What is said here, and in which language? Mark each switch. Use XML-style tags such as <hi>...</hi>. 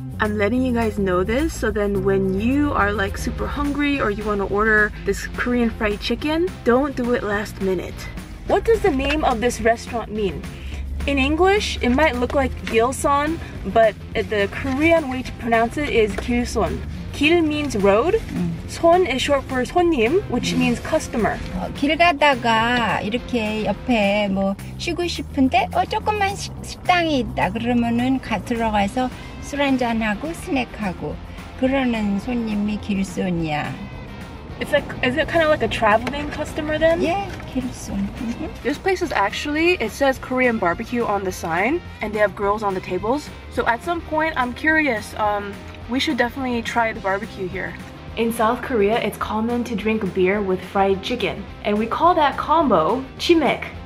<en>I'm letting you guys know this so then when you are like super hungry or you want to order this Korean fried chicken, don't do it last minute. What does the name of this restaurant mean? In English, it might look like gyeoseon, but the Korean way to pronounce it is gilson. Gil means road. Son is short for 손님, which means customer.</en> <ko>길 가다가 이렇게 옆에 뭐 쉬고 싶은데 조금만 식당이 있다 그러면은 가 들어가서 술 한잔 하고 스낵하고 그러는 손님이 길손이야.</ko> <en>It's like, is it kind of like a traveling customer then? Yeah, 길손. This place is actually, it says Korean barbecue on the sign, and they have grills on the tables. So at some point, I'm curious, we should definitely try the barbecue here. In South Korea, it's common to drink beer with fried chicken, and we call that combo chimek.</en>